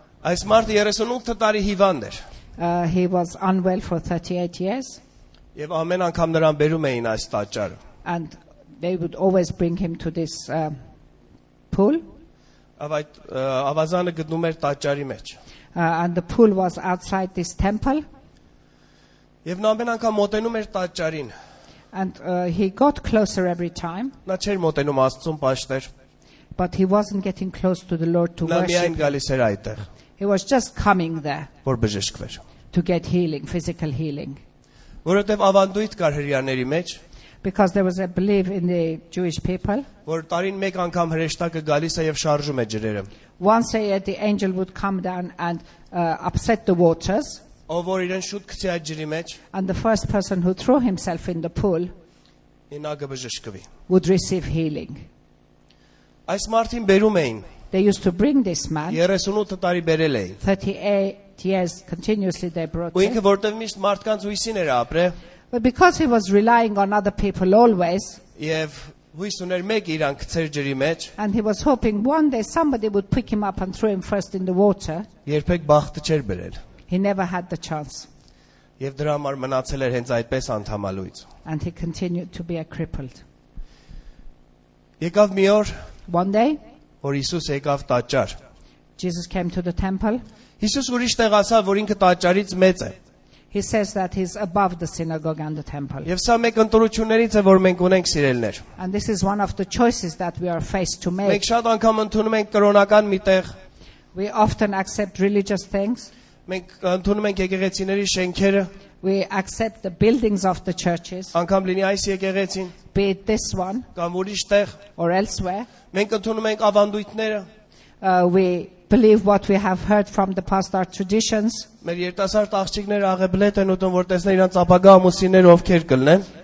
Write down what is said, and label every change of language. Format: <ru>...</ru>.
<hy>Այս մարդը 38 տարի հիվանդ էր.</hy> <en>He was unwell for 38 years.</en> <hy>Եվ ամեն անգամ նրան բերում էին այս տաճարը.</hy> <en>And they would always bring him to this pool.</en> <hy>Այդ ավազանը գտնում էր տաճարի մեջ.</hy> <en>And the pool was outside this temple.</en> <hy>Եվ նա ամեն անգամ մոտենում էր տաճարին.</hy> <en>And he got closer every time.</en> <hy>Նա չէր մոտենում Աստծուն պաշտեր.</hy> <en>But he wasn't getting close to the Lord to worship.</en> <hy>Նա միայն գալիս էր այդտեղ.</hy> <en>He was just coming there.</en> <hy>Որ բժշկվեր.</hy> <en>To get healing, physical healing.</en> <hy>Որովհետև ավանդույթ կար հրեաների մեջ.</hy> <en>Because there was a belief in the Jewish people.</en> <hy>Որ տարին մեկ անգամ հրեշտակը գալիս է եւ շարժում է ջրերը.</hy> <en>Once a year the angel would come down and upset the waters.</en> <hy>Ով որ իրեն շուտ գցի այդ ջրի մեջ.</hy> <en>And the first person who threw himself in the pool.</en> <hy>Ինա գբժշկվի.</hy> <en>Would receive healing.</en> <hy>Այս մարդին բերում էին.</hy> <en>They used to bring this man.</en> <hy>38 տարի բերել էին.</hy> <en>38 Yes, continuously they brought him.</en> <hy>Ու որտեղ միշտ մարդկանց հույսին էր ապրել.</hy> <en>But because he was relying on other people always.</en> <hy>Եվ հույս ուներ մեկ իրան գցեր ջրի մեջ.</hy> <en>And he was hoping one day somebody would pick him up and throw him first in the water.</en> <hy>Երբեք բախտը չէր բերել.</hy> <en>He never had the chance.</en> <hy>Եվ դրա համար մնացել էր հենց այդպես անթամալույց.</hy> <en>And he continued to be a crippled.</en> <hy>Եկավ մի օր,</hy> <en>one day,</en> <hy>որ Հիսուս եկավ տաճար.</hy> <en>Jesus came to the temple.</en> <hy>Հիսուս ուրիշ տեղ ասաց, որ ինքը տաճարից մեծ է.</hy> <en>He says that he's above the synagogue and the temple.</en> <hy>Եվ սա մեկ ընտրություններից է, որ մենք ունենք սիրելներ.</hy> <en>And this is one of the choices that we are faced to make.</en> <hy>Մենք շատ անգամ ընդունում ենք կրոնական մի տեղ.</hy> <en>We often accept religious things.</en> <hy>Մենք ընդունում ենք եկեղեցիների շենքերը.</hy> <en>We accept the buildings of the churches.</en> <hy>Անկամ լինի այս եկեղեցին.</hy> <en>Be it this one.</en> <hy>Կամ ուրիշ տեղ.</hy> <en>Or elsewhere.</en> <hy>Մենք ընդունում ենք ավանդույթները.</hy> <en>We believe what we have heard from the past our traditions.</en> <hy>Մեր 2000 աղջիկներ աղեբլետ են ուտում, որ տեսնեն իրենց ապագա ամուսիններ ովքեր կլինեն.</hy>